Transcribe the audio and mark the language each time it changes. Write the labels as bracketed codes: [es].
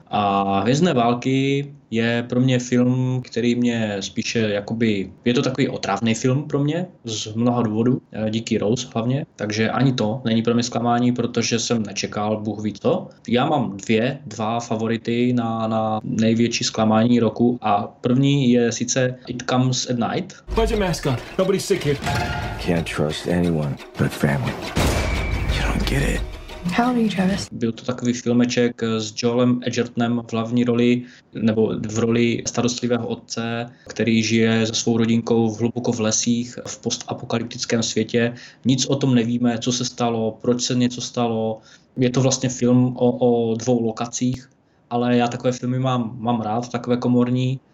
[cs] A Hvězdné války je pro mě film, který mě spíše jakoby, je to takový otravný film pro mě, z mnoha důvodů, díky Rose hlavně. Takže ani to není pro mě zklamání, protože jsem nečekal, Bůh ví co. Já mám dva favority na největší zklamání roku a první je sice It Comes at Night. [en] Where's your mask on? Nobody's sick here. Can't trust anyone but family. [cs] Byl to takový filmeček s Joelem Edgertonem v hlavní roli, nebo v roli starostlivého otce, který žije se svou rodinkou v hluboko v lesích v postapokalyptickém světě. Nic o tom nevíme, co se stalo, proč se něco stalo. Je to vlastně film o dvou lokacích, ale já takové filmy mám rád, takové komorní.